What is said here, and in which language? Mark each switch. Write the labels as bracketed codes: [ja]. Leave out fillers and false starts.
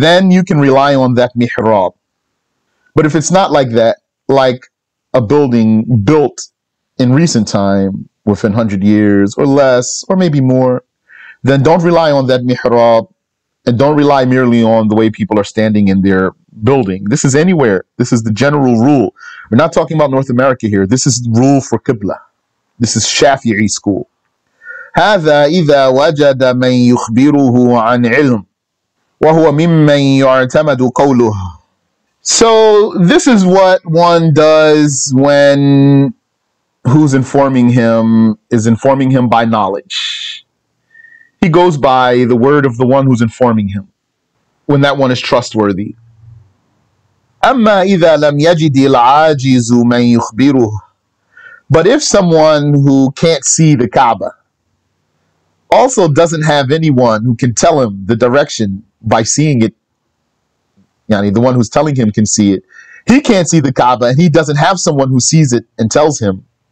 [en] Then you can rely on that mihrab. But if it's not like that, like a building built in recent time within 100 years or less, or maybe more, then don't rely on that mihrab and don't rely merely on the way people are standing in their building. This is anywhere. This is the general rule. We're not talking about North America here. This is rule for Qiblah. This is Shafi'i school. [ar] هذا إذا وجد من يخبره عن علم وهو ممن يعتمد قوله. [en] So this is what one does when who's informing him is informing him by knowledge. He goes by the word of the one who's informing him when that one is trustworthy. [ar] أما إذا لم يجد العاجز من يخبره. [en] But if someone who can't see the Kaaba also doesn't have anyone who can tell him the direction by seeing it, yani the one who's telling him can see it, he can't see the Kaaba and he doesn't have someone who sees it and tells him.